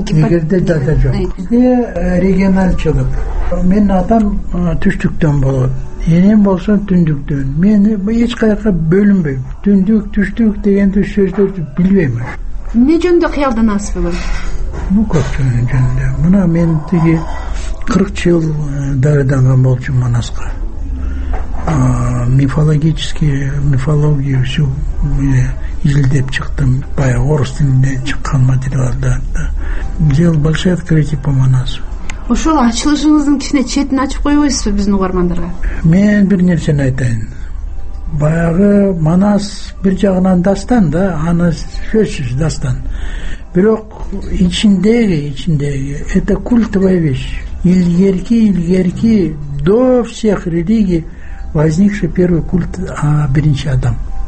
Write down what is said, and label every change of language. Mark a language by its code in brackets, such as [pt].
[ky] эгерде жок. Бизде региональчылык. Менин атам түштүктөн болот. Энем болсо түндүктөн. Мен эч кайка бөлүнбөйм. Түндүк, түштүк деген сөздөрдү билбейм. Эмне жөнүндө кыялданасыз бүгүн? Ну көп жөнүндө. Мына мен тиги 40 жыл дарыданган болчум Манаска. Мифология всю изилдеп чыктым. Баягы орус тилинде чыккан материалдарды. [ru] Делал большое открытие по Манасу. [ky] Ошол ачылышыңыздын кичине четин ачып койбойсузбу биздин угармандарга? Мен бир нерсени айтайын. Баягы Манас бир жагынан дастан да, аны сөзсүз дастан. Бирок ичиндеги это культовая вещь. [ru] Илгерки до всех религий возникший первый культ, биринчи адам.